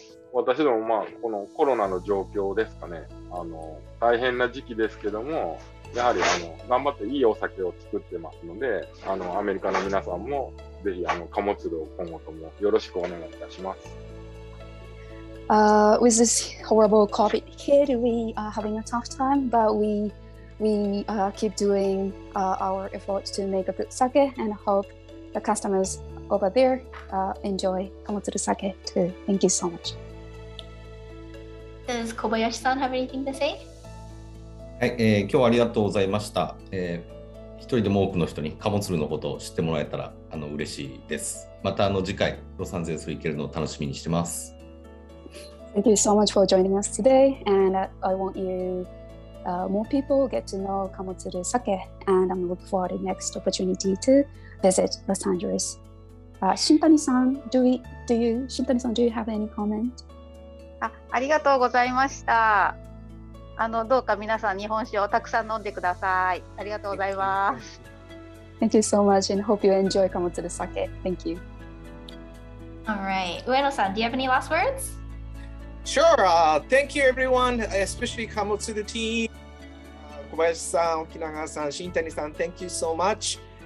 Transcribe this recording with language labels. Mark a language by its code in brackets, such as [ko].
[ja] 私ども、このコロナの状況ですかね、大変な時期ですけども、やはり頑張っていいお酒を作ってますので、アメリカの皆さんもぜひ Kamotsuru を今後ともよろしくお願いいたします。 [en] With this horrible COVID hit, we are having a tough time, but we keep doing our efforts to make a good sake and hope the customers over there enjoy Kamotsuru sake too. Thank you so much. Does Kobayashi-san have anything to say? [ja] はい、今日はありがとうございました。一人でも多くの人にカモツルのことを知ってもらえたら嬉しいです。また次回ロサンゼルス行けるのを楽しみにしてます。 [en] Thank you so much for joining us today, and I want you more people get to know カモツル酒, and I'm looking forward to next opportunity to visit Los Angeles. Shintani-san, do you have any comment? [ja] ありがとうございました。どうか皆さん日本酒をたくさん飲んでください。ありがとうございます。 [en] Thank you so much and hope you enjoy Kamotsuru sake. Thank you. All right. Ueno-san, do you have any last words? Sure. Thank you everyone, especially Kamotsuru team. Kobayashi-san, Okinaga-san, Shintani-san, thank you so much.